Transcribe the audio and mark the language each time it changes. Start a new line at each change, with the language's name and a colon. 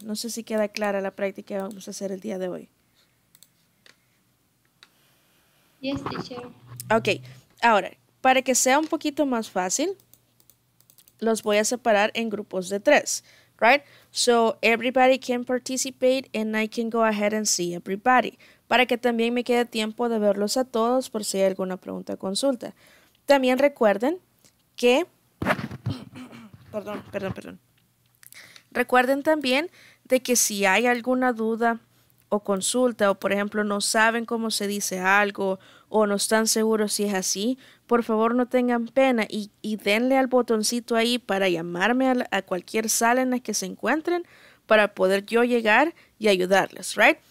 Spanish: No sé si queda clara la práctica que vamos a hacer el día de hoy.
English: Yes, teacher.
Spanish: Okay, ahora, para que sea un poquito más fácil, los voy a separar en grupos de tres, right?
English: So everybody can participate and I can go ahead and see everybody.
Spanish: Para que también me quede tiempo de verlos a todos por si hay alguna pregunta o consulta. También recuerden que, perdón. Recuerden también de que si hay alguna duda o consulta o por ejemplo no saben cómo se dice algo o no están seguros si es así, por favor no tengan pena y denle al botoncito ahí para llamarme a cualquier sala en la que se encuentren para poder yo llegar y ayudarles, right?